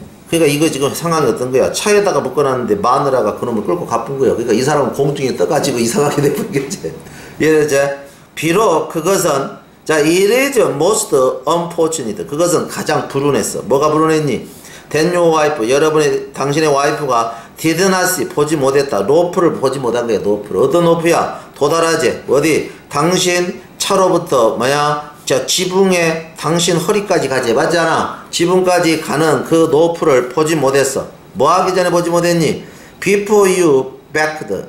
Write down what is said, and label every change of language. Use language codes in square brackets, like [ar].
[ko] 그러니까 이거 지금 상황이 어떤 거야? 차에다가 묶어놨는데 마누라가 그놈을 끌고 가쁜 거야. 그러니까 이 사람은 공중에 떠가지고 이상하게 돼버리겠지. 이해되지? 비록 그것은, 자, [en] it is most unfortunate. [ko] 그것은 가장 불운했어. 뭐가 불운했니? [en] Then your wife, [ko] 여러분의, 당신의 와이프가 [en] did not see, [ko] 보지 못했다. 로프를 보지 못한 거야, 로프를. 어떤 로프야? 도달하지? 어디? 당신 차로부터, 뭐야? 자, 지붕에 당신 허리까지 가지. 맞지 않아? 지붕까지 가는 그 노프를 보지 못했어. 뭐 하기 전에 보지 못했니? [en] Before you backed.